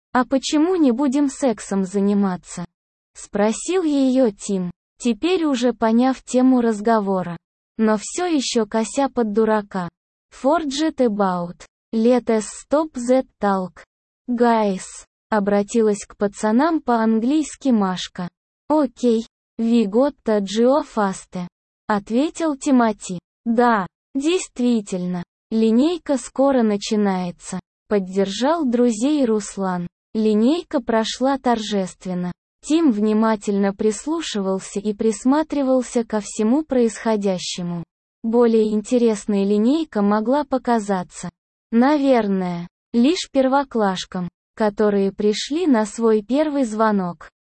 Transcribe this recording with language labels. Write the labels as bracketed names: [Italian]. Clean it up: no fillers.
[Russian] «А почему не будем сексом заниматься?» — спросил ее Тим, теперь уже поняв тему разговора, но все еще кося под дурака. [English] «Forget about. Let us stop that talk. Guys», [Russian] — обратилась к пацанам по-английски Машка. [English] «Окей, we got to go faster», — [Russian] ответил Тимати. «Да, действительно, линейка скоро начинается», — поддержал друзей Руслан. Линейка прошла торжественно. Тим внимательно прислушивался и присматривался ко всему происходящему. Более интересная линейка могла показаться, наверное, лишь первоклашкам, которые пришли на свой первый звонок.